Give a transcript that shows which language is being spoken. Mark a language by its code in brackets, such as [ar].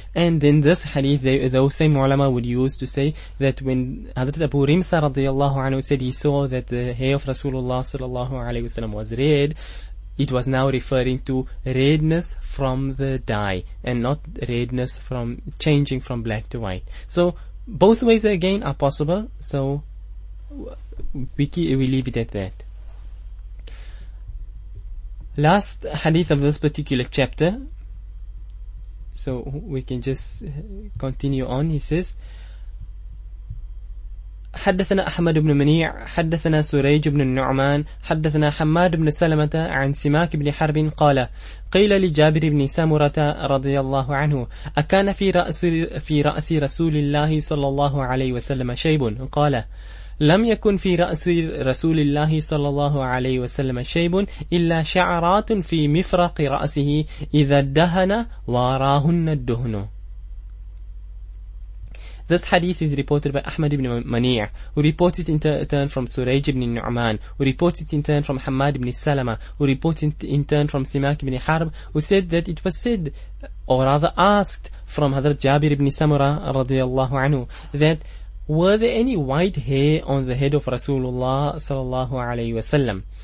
[en] And then this hadith, those same ulama would use to say that when Hadrat Abu Rimsa radiallahu anhu said he saw that the hair of Rasulullah sallallahu alayhi wasallam was red, it was now referring to redness from the dye and not redness from changing from black to white. So both ways again are possible. So we leave it at that. last hadith of this particular chapter. So we can just continue on. He says, [ar] حدثنا أحمد بن منيع حدثنا سريج بن النعمان حدثنا حماد بن سلمة عن سماك بن حرب قال قيل لجابر بن سمرة رضي الله عنه أكان في رأس رسول الله صلى الله عليه وسلم شيب؟ قال لم يكن في رأس رسول الله صلى الله عليه وسلم شيب إلا شعرات في مفرق رأسه إذا دهن وراهن الدهن. [en] This hadith is reported by Ahmad ibn Mani', who reports it in turn from Suraj ibn Nu'man, who reports it in turn from Hamad ibn Salama, who reports it in turn from Simak ibn Harb, who said that it was said, or rather asked, from Hadrat Jabir ibn Samura radiallahu anhu, that were there any white hair on the head of Rasulullah sallallahu alayhi wa sallam?